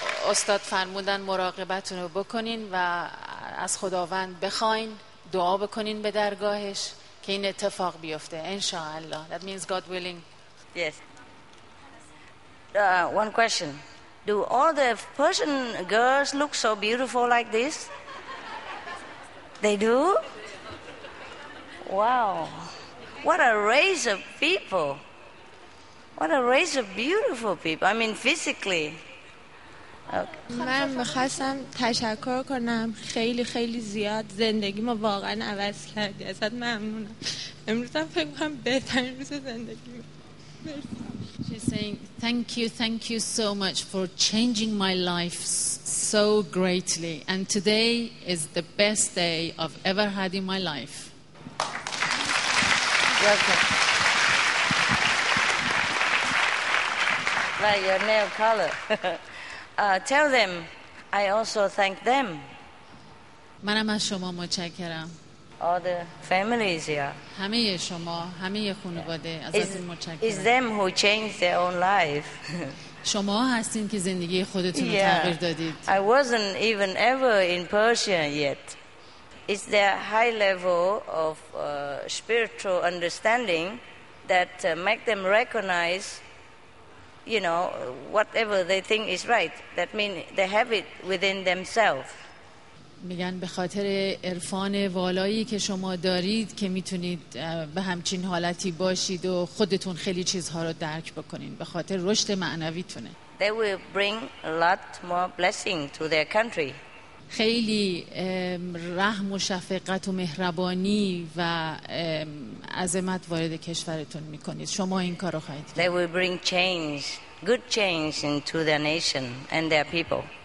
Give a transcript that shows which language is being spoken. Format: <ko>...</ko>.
<fa>استاد فرمودن مراقبتون رو بکنین و از خداوند بخواین دعا بکنین به درگاهش که این اتفاق بیفته انشاءالله.</fa> <en>That means God willing. Yes. One question. Do all the Persian girls look so beautiful like this? They do? Wow. What a race of people. What a race of beautiful people. I mean physically. Okay.</en> <fa>من میخواستم تشکر کنم خیلی خیلی زیاد. زندگی ما واقعا عوض کردی. ازت ممنونم. امروز هم فکر کنم بهترین روز زندگی ما.</fa> <en>She's saying thank you so much for changing my life so greatly. And today is the best day I've ever had in my life. Welcome. Like your nail color. tell them I also thank them.</en> <fa>منم از شما متشکرم.</fa> <en>All the families here.</en> <fa>همه شما، همه خانواده ازتون متشکرم.</fa> <en>Is them who changed their own life.</en> <fa>شما هستین که زندگی خودتون رو تغییر دادید.</fa> <en>I wasn't even ever in Persia yet. It's their high level of spiritual understanding that make them recognize, you know, whatever they think is right. That means they have it within themselves.</en> <fa>میگن به خاطر عرفان والایی که شما دارید که میتونید به همچین حالتی باشید و خودتون خیلی چیزها رو درک بکنین به خاطر رشد معنویتونه.</fa> <en>They will bring a lot more blessing to their country.</en> <fa>خیلی رحم و شفقت و مهربانی و عظمت وارد کشورتون میکنید. شما این کارو خواهید کرد.</fa> <en>They will bring change, good change into their nation and their people.</en>